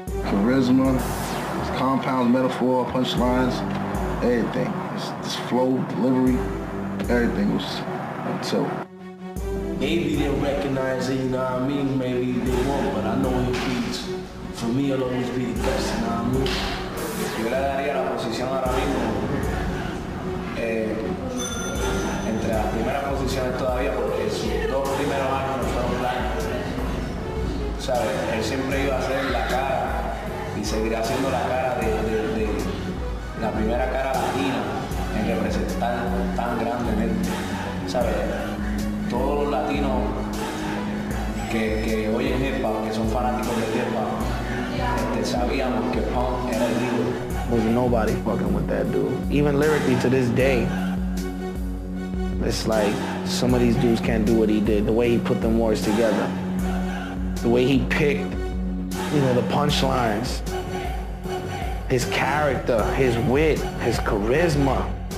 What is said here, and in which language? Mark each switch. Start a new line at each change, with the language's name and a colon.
English: Charisma, compounds, metaphor, punchlines, everything. It's flow, delivery, everything was so. Maybe they recognize it, you know what I mean? Maybe they won't, but I know his beats. For me, it'll always be the best, you know what I mean?
Spanish: Yo le daría la posición ahora mismo. Entre las primeras posiciones todavía, porque sus dos primeros años no fueron blancos. ¿Sabes? Él siempre iba a ser la cara y seguirá siendo la cara de la primera cara latina en representar tan grandemente. ¿Sabes? Todos los latinos que oyen hip hop, que son fanáticos de hip hop, sabíamos que Pun era el ídolo.
English: There's nobody fucking with that dude. Even lyrically to this day, it's like some of these dudes can't do what he did. The way he put them words together. The way he picked, you know, the punchlines. His character, his wit, his charisma.